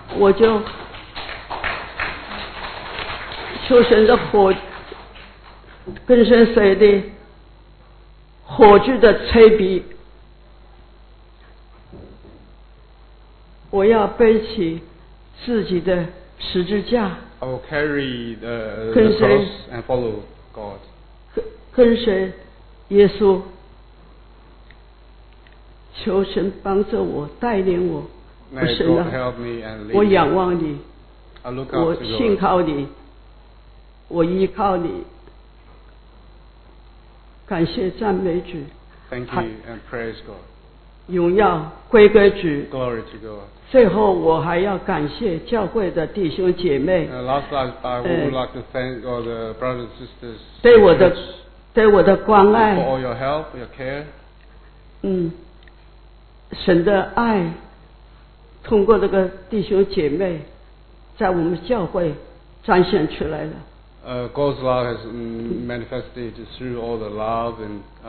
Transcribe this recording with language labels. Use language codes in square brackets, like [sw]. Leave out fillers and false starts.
[zh] 我就求神的火，跟随谁的火炬的吹笔，我要背起自己的十字架。 [en] I will carry the cross and follow God. [zh] 跟随耶稣，求神帮助我，带领我。 [en] May God help me and lead me. [zh] 我仰望你， [en] I look up to God. [zh] 我信靠你，我依靠你。感谢赞美主。 [en] Thank you and praise God. [zh] 荣耀归给主。 [en] Glory to God. [zh] 最后我还要感谢教会的弟兄姐妹。 [en] Last night, I would like to thank all the brothers and sisters. [zh] 对我的关爱。 [en] For all your help, your care. [zh] 神的爱通过这个弟兄姐妹在我们教会彰显出来了。 [en] God's love has manifested through all the love and